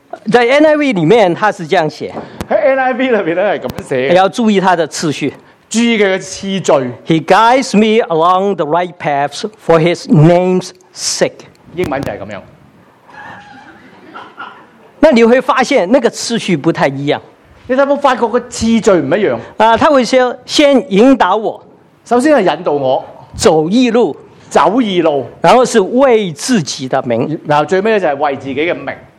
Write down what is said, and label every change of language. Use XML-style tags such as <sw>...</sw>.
<zh>在 NIV 里面，他是这样写。在 NIV 里面是这样写。你要注意他的次序。注意他的次序。</zh> <en>He guides me along the right paths for his name's sake。</en> <zh>英文就是这样。那你会发现那个次序不太一样。你有没有发觉那个次序不一样？他会先引导我。首先是引导我。走义路。走义路。然后是为自己的名。然后最后就是为自己的名。</zh>